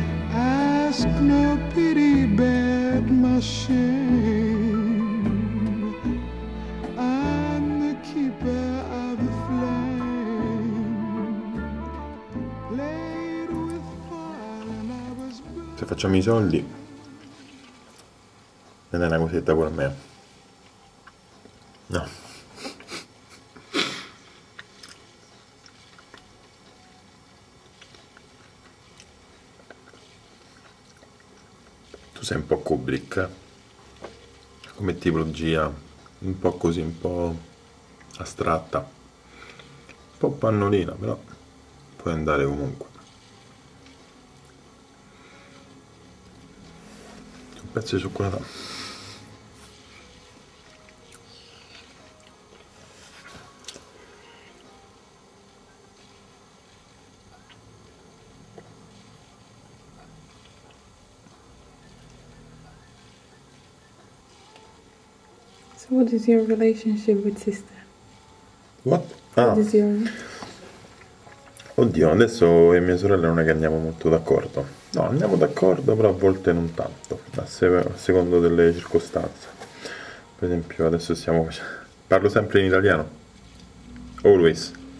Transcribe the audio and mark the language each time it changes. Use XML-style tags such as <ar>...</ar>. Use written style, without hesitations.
<en>Ask no pity, bear my shame. I'm the keeper of the flame. With fire and I was burning.</en> <it>Se facciamo i soldi, non è una cosetta per me. No. Tu sei un po' Kubrick, come tipologia, un po' così, un po' astratta, un po' pannolina, però puoi andare comunque. Un pezzo di cioccolata.</it> <en>What is your relationship with sister? What? What is your...</en> <it>Oddio, adesso e mia sorella non è che andiamo molto d'accordo. No, andiamo d'accordo, però a volte non tanto, a secondo delle circostanze. Per esempio, adesso stiamo facendo... Parlo sempre in italiano.</it> <en>Always.</en>